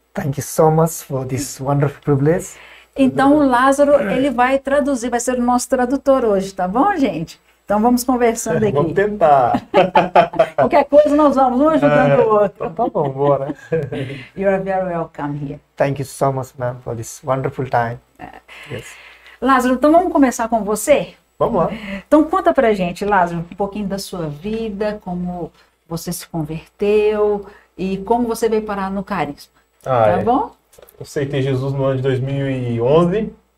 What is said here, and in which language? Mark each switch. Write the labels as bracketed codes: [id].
[en] Thank you so much for this wonderful place. [pt] Então, o Lázaro, ele vai traduzir, vai ser o nosso tradutor hoje, tá bom, gente? Então, vamos conversando Vamos aqui. tentar. Qualquer coisa, nós vamos um ajudando o outro. Então tá bom, bora. [en] You are very welcome here. Thank you so much, man, for this wonderful time. [pt] Lázaro, então vamos começar com você? Vamos lá. Então, conta pra gente, Lázaro, um pouquinho da sua vida, como você se converteu e como você veio parar no carisma, Ah, tá é. bom? Eu aceitei Jesus no ano de 2011.